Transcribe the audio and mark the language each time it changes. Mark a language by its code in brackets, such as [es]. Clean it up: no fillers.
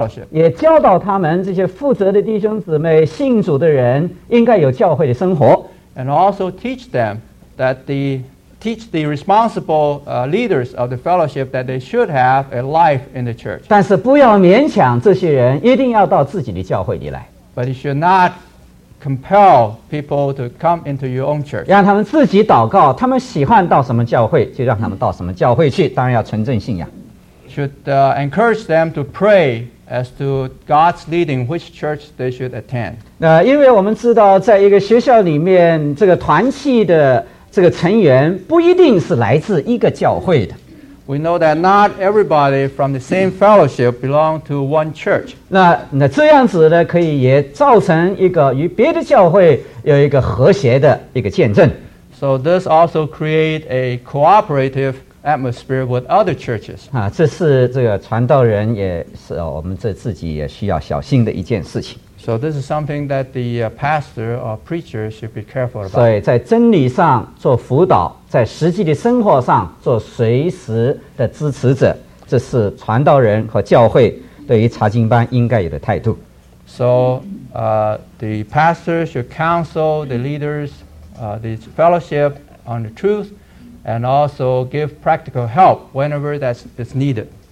[zh] 也教导他们这些负责的弟兄姊妹信主的人应该有教会的生活。 [en] And also teach them that the teach the responsible leaders of the fellowship that they should have a life in the church. [zh] 但是不要勉强这些人一定要到自己的教会里来。 [en] But you should not compel people to come into your own church. [zh] 让他们自己祷告，他们喜欢到什么教会就让他们到什么教会去，当然要纯正信仰。 [en] Should encourage them to pray as to God's leading, which church they should attend. [zh] 因为我们知道，在一个学校里面，这个团契的这个成员不一定是来自一个教会的。 [en] We know that not everybody from the same fellowship belong to one church. [zh] 那这样子呢，可以也造成一个与别的教会有一个和谐的一个见证。 [en] So this also create a cooperative. Atmosphere with other churches. [zh] 这是这个传道人也是我们这自己也需要小心的一件事情。 [en] So this is something that the pastor or preacher should be careful about. [zh] 所以在真理上做辅导，在实际的生活上做随时的支持者，这是传道人和教会对于查经班应该有的态度。 [en] So, the pastor should counsel the leaders, the fellowship on the truth. And also give practical help whenever that is needed.